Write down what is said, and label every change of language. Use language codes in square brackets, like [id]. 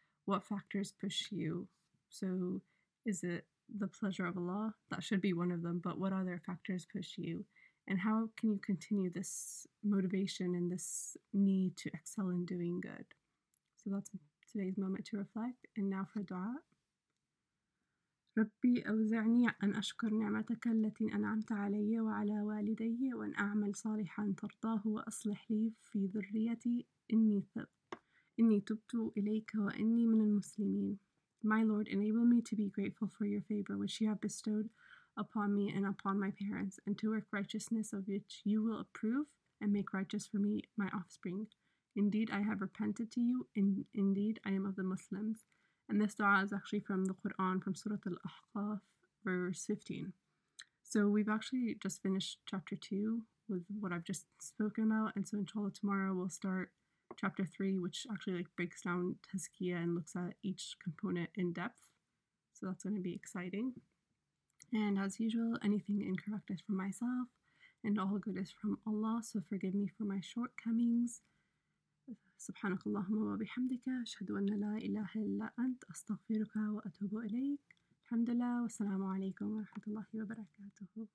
[en] What factors push you? So is it the pleasure of Allah? That should be one of them, but what other factors push you? And how can you continue this motivation and this need to excel in doing good? So that's today's moment to reflect. And now for dua. [ar] ربي أوزعني أن أشكر نعمتك التي أنعمت علي وعلى والدي وأن أعمل صالحا ترضاه وأصلح لي في ذريتي إني تبت إليك وإني من المسلمين. [en] My Lord, enable me to be grateful for your favor which you have bestowed upon me and upon my parents, and to work righteousness of which you will approve, and make righteous for me my offspring. Indeed, I have repented to you, and indeed I am of the Muslims. And this dua is actually from the Quran, from Surah Al-Ahqaf, verse 15. So we've actually just finished chapter 2 with what I've just spoken about. And so inshallah tomorrow we'll start chapter 3, which actually like breaks down tazkiyah and looks at each component in depth. So that's going to be exciting. And as usual, anything incorrect is from myself, and all good is from Allah. So forgive me for my shortcomings. [ar] سبحانك اللهم وبحمدك أشهد أن لا إله إلا أنت أستغفرك وأتوب إليك. الحمد لله والسلام عليكم ورحمة الله وبركاته.